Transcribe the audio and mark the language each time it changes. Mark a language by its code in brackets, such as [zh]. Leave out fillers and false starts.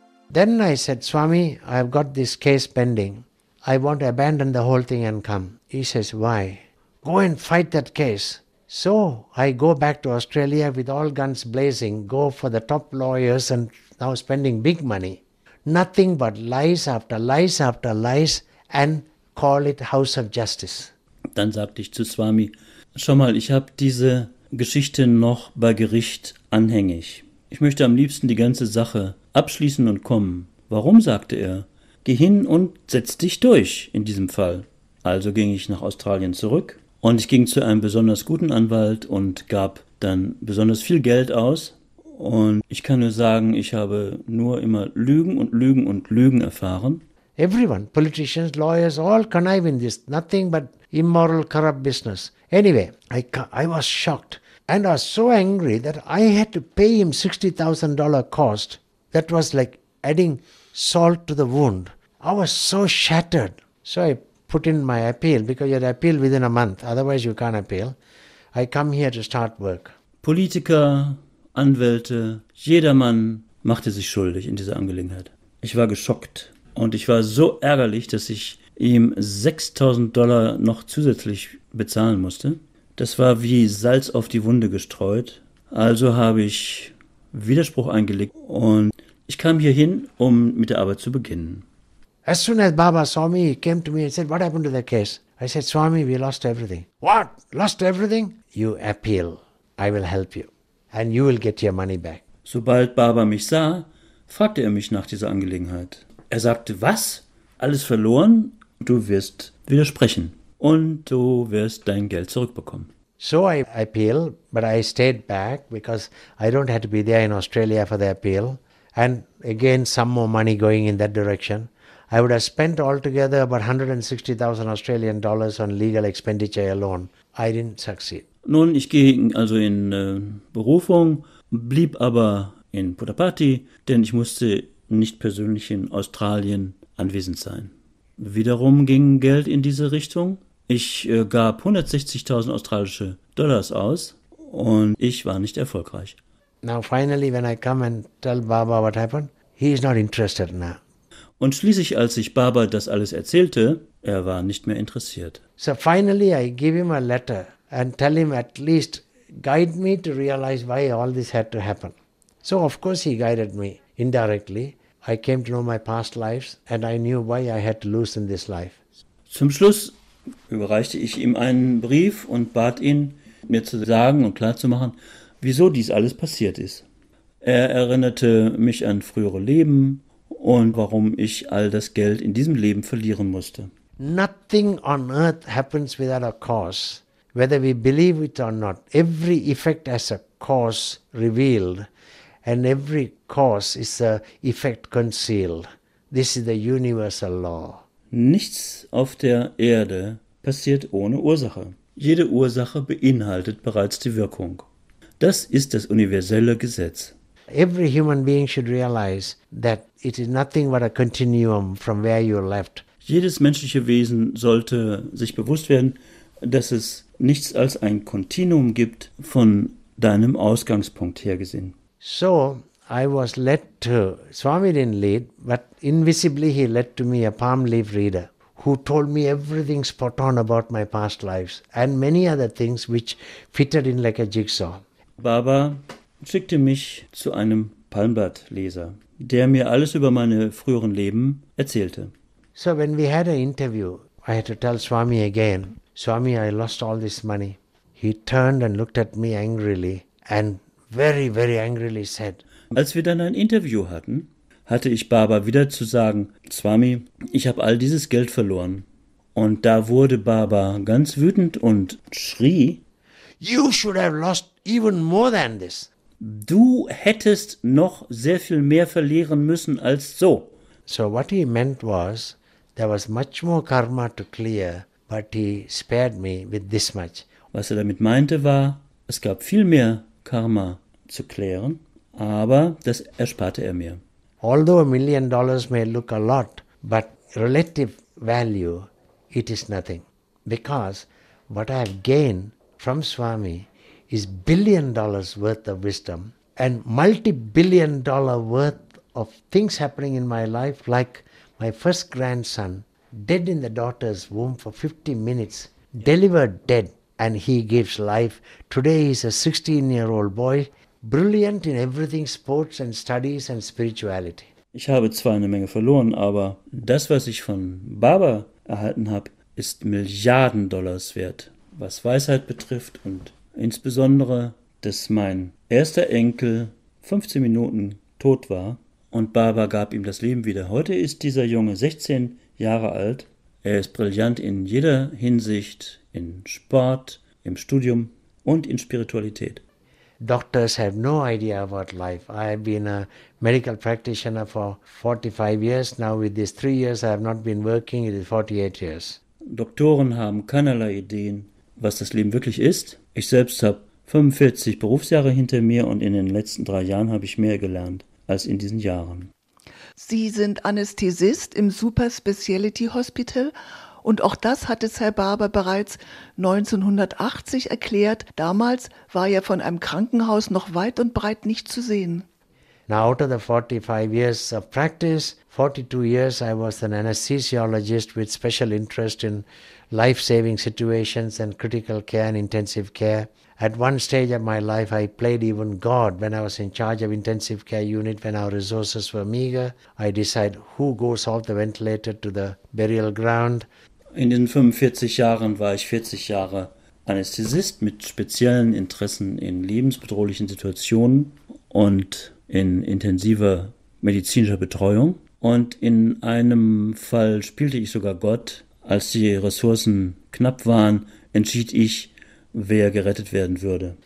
[en] Then I said, Swami, I've got this case pending. I want to abandon the whole thing and come. He says, why? Go and fight that case. So I go back to Australia with all guns blazing, go for the top lawyers and now spending big money. Nothing but lies after lies after lies and call it House of Justice. [de] Dann sagte ich zu Swami, schau mal, ich habe diese Geschichte noch bei Gericht anhängig. Ich möchte am liebsten die ganze Sache abschließen und kommen. Warum, sagte er, geh hin und setz dich durch in diesem Fall. Also ging ich nach Australien zurück und ich ging zu einem besonders guten Anwalt und gab dann besonders viel Geld aus. Und ich kann nur sagen, ich habe nur immer Lügen und Lügen und Lügen erfahren. [en] Everyone, politicians, lawyers, all connive in this. Nothing but immoral, corrupt business. Anyway, I was shocked and I was so angry that I had to pay him $60,000 cost. That was like adding salt to the wound. I was so shattered. So I put in my appeal, because you had to appeal within a month. Otherwise you can't appeal. I come here to start work. [de] Politiker, Anwälte, jedermann machte sich schuldig in dieser Angelegenheit. Ich war geschockt und ich war so ärgerlich, dass ich ihm $6,000 noch zusätzlich bezahlen musste. Das war wie Salz auf die Wunde gestreut. Also habe ich Widerspruch eingelegt und ich kam hier hin, um mit der Arbeit zu beginnen. [en] As soon as Baba saw me, he came to me and said, what happened to the case? I said, Swami, we lost everything. What? Lost everything? You appeal. I will help you. And you will get your money back. [de] Sobald Baba mich sah, fragte er mich nach dieser Angelegenheit. Er sagte, was? Alles verloren? Du wirst widersprechen. Und du wirst dein Geld zurückbekommen. [en] So I appeal, but I stayed back because I don't have to be there in Australia for the appeal. And again, some more money going in that direction. I would have spent altogether about 160,000 Australian dollars on legal expenditure alone. I didn't succeed. [de] Nun, ich ging also in Berufung, blieb aber in Puttaparthi, denn ich musste nicht persönlich in Australien anwesend sein. Wiederum ging Geld in diese Richtung. Ich gab 160.000 australische Dollars aus und ich war nicht erfolgreich. [en] Now finally, when I come and tell Baba what happened, he is not interested now. [de] Und schließlich, als ich Baba das alles erzählte, er war nicht mehr interessiert. [en] So finally I give him a letter and tell him at least guide me to realize why all this had to happen. So of course he guided me indirectly. I came to know my past lives and I knew why I had to lose in this life. [de] Zum Schluss überreichte ich ihm einen Brief und bat ihn, mir zu sagen und klarzumachen, wieso dies alles passiert ist. Er erinnerte mich an frühere Leben und warum ich all das Geld in diesem Leben verlieren musste. [en] Nothing on earth happens without a cause, whether we believe it or not. Every effect has a cause revealed and every cause is a effect concealed. This is the universal law. [de] Nichts auf der Erde passiert ohne Ursache. Jede Ursache beinhaltet bereits die Wirkung. Das ist das universelle Gesetz. [en] Every human being should realize that it is nothing but a continuum from where you left. [de] Jedes menschliche Wesen sollte sich bewusst werden, dass es nichts als ein Kontinuum gibt von deinem Ausgangspunkt her gesehen. [en] So I was led to, Swami didn't lead, but invisibly he led to me a palm leaf reader who told me everything spot on about my past lives and many other things which fitted in like a jigsaw. [de] Baba schickte mich zu einem Palmblattleser, der mir alles über meine früheren Leben erzählte. [en] So when we had an interview, I had to tell Swami again, Swami, I lost all this money. He turned and looked at me angrily and very, very angrily said, [de] als wir dann ein Interview hatten, hatte ich Baba wieder zu sagen, Swami, ich habe all dieses Geld verloren. Und da wurde Baba ganz wütend und schrie, [en] you should have lost even more than this. [de] Du hättest noch sehr viel mehr verlieren müssen als so. [en] So what he meant was, there was much more karma to clear, but he spared me with this much. [de] Was er damit meinte war, es gab viel mehr Karma zu klären, aber das ersparte er mir. [en] Although $1 million may look a lot, but relative value, it is nothing. Because what I have gained from Swami is $1 billion worth of wisdom and multi-billion dollar worth of things happening in my life, like my first grandson, dead in the daughter's womb for 50 minutes, delivered dead, and he gives life. Today he's a 16-year-old boy, brilliant in everything, sports and studies and spirituality. [de] Ich habe zwar eine Menge verloren, aber das, was ich von Baba erhalten habe, ist Milliarden Dollars wert, was Weisheit betrifft und insbesondere, dass mein erster Enkel 15 Minuten tot war und Baba gab ihm das Leben wieder. Heute ist dieser Junge 16 Jahre alt. Er ist brillant in jeder Hinsicht, in Sport, im Studium und in Spiritualität. [en] Doctors have no idea about life. I have been a medical practitioner for 45 years. Now with these 3 years I have not been working, it is 48 years. [de] Doktoren haben keinerlei Ideen, was das Leben wirklich ist. Ich selbst habe 45 Berufsjahre hinter mir und in den letzten 3 Jahren habe ich mehr gelernt als in diesen Jahren. Sie sind Anästhesist im Super Speciality Hospital und auch das hatte Herr Barber bereits 1980 erklärt. Damals war er von einem Krankenhaus noch weit und breit nicht zu sehen. [en] Now out of the 45 years of practice, 42 years I was an anesthesiologist with special interest in life-saving situations and critical care and intensive care. At one stage of my life, I played even God. When I was in charge of intensive care unit, when our resources were meager, I decided who goes off the ventilator to the burial ground. [de] In den 45 Jahren war ich 40 Jahre Anästhesist mit speziellen Interessen in lebensbedrohlichen Situationen und in intensiver medizinischer Betreuung. Und in einem Fall spielte ich sogar Gott. Als die Ressourcen knapp waren, entschied ich, wer gerettet werden würde.